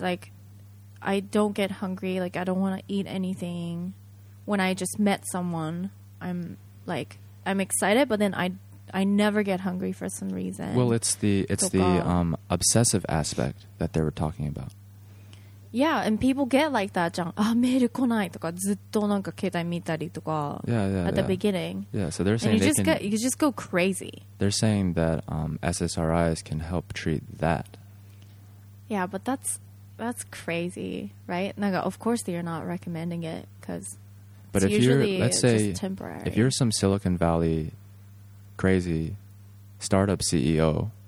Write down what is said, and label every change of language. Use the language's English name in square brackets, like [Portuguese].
[English] Like, I don't get hungry. Like, I don't want to eat anything. When I just met someone, I'm excited, but then I never get hungry for some reason. Well, it's the obsessive aspect that they were talking about. Yeah, and people get like that, [Japanese] じゃん. メール来ないとか、ずっとなんか携帯見たりとか. [English] Yeah, at the beginning. Yeah, so they're saying you just go crazy. They're saying that SSRIs can help treat that. Yeah, but that's crazy, right? Like, of course they're not recommending it because. But it's if usually you're, let's just say, temporary. If you're some Silicon Valley. Crazy startup CEO.